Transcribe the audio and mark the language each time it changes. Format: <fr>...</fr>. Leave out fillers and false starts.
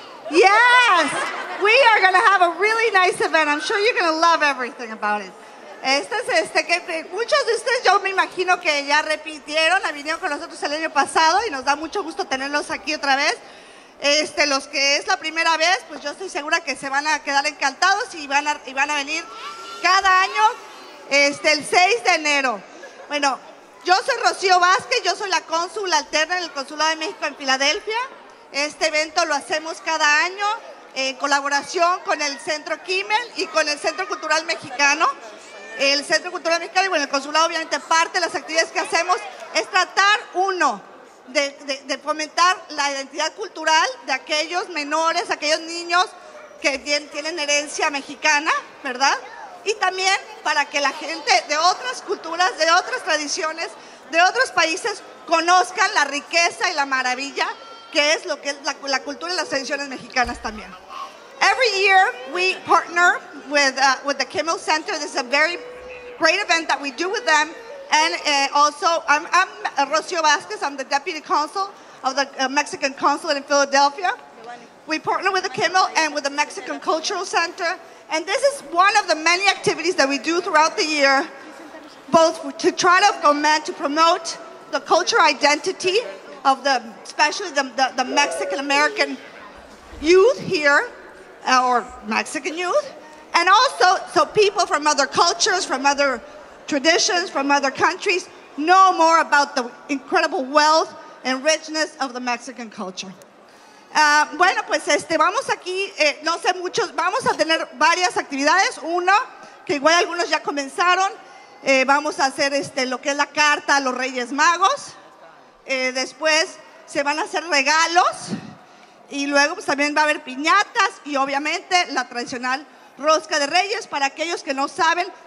<en>Yes, we are going to have a really nice event. I'm sure you're going to love everything about it.</en> <es>Muchos de ustedes, yo me imagino que ya repitieron, vinieron con nosotros el año pasado y nos da mucho gusto tenerlos aquí otra vez. Los que es la primera vez, pues yo estoy segura que se van a quedar encantados y van a venir cada año el 6 de enero. Bueno, yo soy Rocío Vázquez, yo soy la cónsul alterna del Consulado de México en Filadelfia. Este evento lo hacemos cada año en colaboración con el Centro Kimmel y con el Centro Cultural Mexicano. El Centro Cultural Mexicano y bueno, el consulado, obviamente, parte de las actividades que hacemos es tratar, uno, de fomentar la identidad cultural de aquellos menores, aquellos niños que tienen herencia mexicana, ¿verdad? Y también para que la gente de otras culturas, de otras tradiciones, de otros países conozcan la riqueza y la maravilla que es lo que es la cultura y las tradiciones mexicanas también.</es> <en>Every year we partner with the Kimmel Center. This is a very great event that we do with them. And also, I'm Rocío Vázquez. I'm the Deputy Consul of the Mexican Consulate in Philadelphia. We partner with the Kimmel and with the Mexican Cultural Center. And this is one of the many activities that we do throughout the year, both to try to augment, to promote the cultural identity of the, especially the Mexican-American youth here, or Mexican youth, and also so people from other cultures, from other traditions, from other countries, know more about the incredible wealth and richness of the Mexican culture.</en> <es>Bueno, pues vamos aquí, no sé muchos, vamos a tener varias actividades. Una, que igual algunos ya comenzaron, vamos a hacer lo que es la carta a los Reyes Magos. Después se van a hacer regalos. Y luego pues, también va a haber piñatas y obviamente la tradicional rosca de reyes para aquellos que no saben.</es>